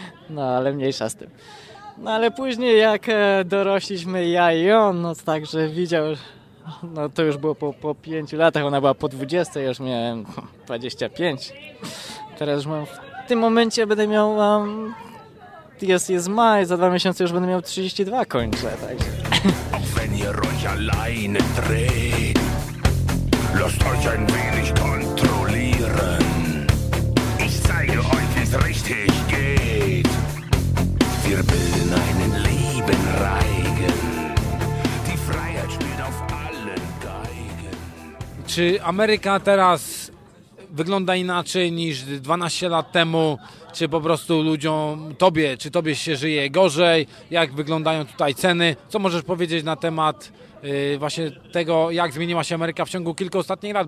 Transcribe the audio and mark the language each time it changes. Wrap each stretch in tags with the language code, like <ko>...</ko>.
<pl>No ale mniejsza z tym. No ale później jak dorośliśmy ja i on, no także widział, no to już było po 5 latach, ona była po 20, już miałem 25. Teraz już mam, w tym momencie będę miał, jest maj, za 2 miesiące już będę miał 32 kończę, także...</pl> <de>Euch allein dreht, lasst euch ein wenig kontrollieren. Ich zeige euch, wie es richtig geht. Wir bilden einen lieben Reigen. Die Freiheit spielt auf allen Geigen.</de> <pl>Czy Ameryka teraz wygląda inaczej niż 12 lat temu? Czy po prostu ludziom, tobie się żyje gorzej? Jak wyglądają tutaj ceny? Co możesz powiedzieć na temat właśnie tego, jak zmieniła się Ameryka w ciągu kilku ostatnich lat?</pl>